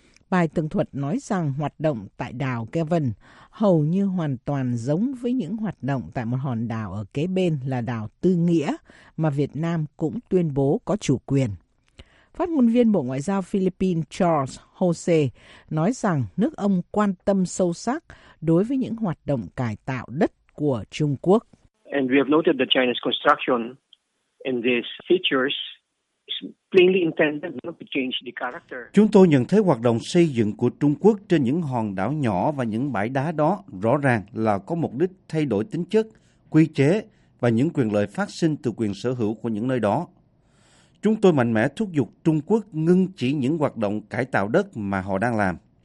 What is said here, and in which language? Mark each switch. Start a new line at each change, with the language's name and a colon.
Vietnamese: Bài tường thuật nói rằng hoạt động tại đảo Gavan hầu như hoàn toàn giống với những hoạt động tại một hòn đảo ở kế bên là đảo Tư Nghĩa mà Việt Nam cũng tuyên bố có chủ quyền. Phát ngôn viên Bộ Ngoại giao Philippines Charles Jose nói rằng nước ông quan tâm sâu sắc đối với những hoạt động cải tạo đất của Trung Quốc.
English: And we have noted that China's construction in these features is plainly intended to change the character.
Vietnamese: Chúng tôi nhận thấy hoạt động xây dựng của Trung Quốc trên những hòn đảo nhỏ và những bãi đá đó rõ ràng là có mục đích thay đổi tính chất, quy chế và những quyền lợi phát sinh từ quyền sở hữu của những nơi đó. Chúng tôi mạnh mẽ thúc giục Trung Quốc ngưng chỉ những hoạt động cải tạo đất mà họ đang làm.